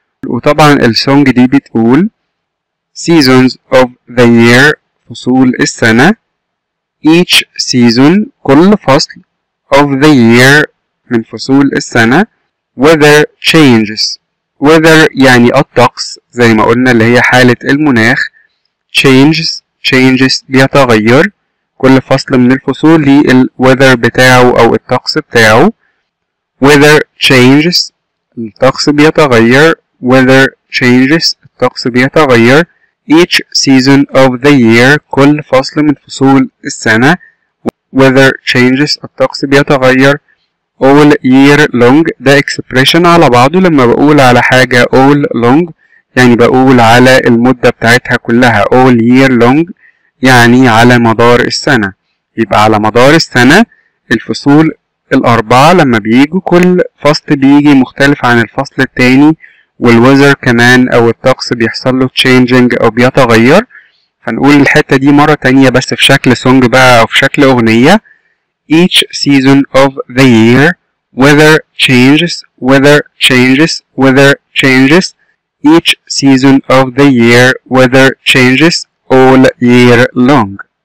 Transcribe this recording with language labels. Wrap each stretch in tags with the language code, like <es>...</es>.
<ar>وطبعا السونج دي بتقول</ar> <en>seasons of the year</en> <ar>فصول السنة،</ar> <en>each season</en> <ar>كل فصل،</ar> <en>of the year</en> <ar>من فصول السنة،</ar> <en>weather changes،</en> <ar>weather يعني الطقس زي ما قلنا اللي هي حالة المناخ، changes changes بيتغير، كل فصل من الفصول دي ال weather بتاعه او الطقس بتاعه.</ar> <en>weather changes</en> <ar>الطقس بيتغير، weather changes الطقس بيتغير،</ar> <en>each season of the year</en> <ar>كل فصل من فصول السنة، weather changes الطقس بيتغير،</ar> <en>all year long</en> <ar>ده</ar> <en>expression</en> <ar>على بعضه. لما بقول على حاجة all long يعني بقول على المدة بتاعتها كلها,</ar> <en>all year long</en> <ar>يعني على مدار السنة. يبقى على مدار السنة الفصول الأربعة لما بيجوا كل فصل بيجي مختلف عن الفصل التاني, والوزر كمان أو الطقس بيحصل له changing أو بيتغير. فنقول الحتة دي مرة تانية بس في شكل song بقى أو في شكل أغنية.</ar> <en>Each season of the year weather changes, weather changes, weather changes. Each season of the year weather changes all year long.</en>